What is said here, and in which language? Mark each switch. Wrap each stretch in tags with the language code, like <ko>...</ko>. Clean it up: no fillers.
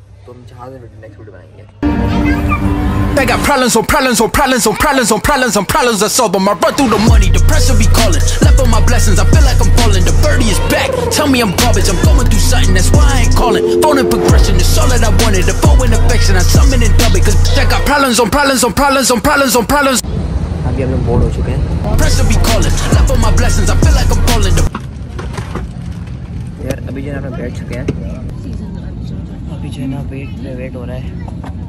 <hi>तो हम जहाँ से नेक्स्ट वीडियो बनाएंगे।</hi> <en>I got problems on problems on problems on problems on problems on problems. I solve them. I run through the money. The pressure be calling. Left on my blessings. I feel like I'm falling. The birdie is back. Tell me I'm garbage. I'm going through something. That's why I ain't calling. Phone in progression. It's all that I wanted. The phone in affection. I summon and dub it. Cause I got problems on problems on problems on problems on problems.</en> <hi>अभी हम लोग bore हो चुके हैं।</hi> <en>Pressure be calling. Left on my blessings. I feel like I'm falling.</en> <hi>यार अभी जो हम लोग बैठ चुके हैं। अभी जो है ना वेट पे वेट हो रहा है।</hi>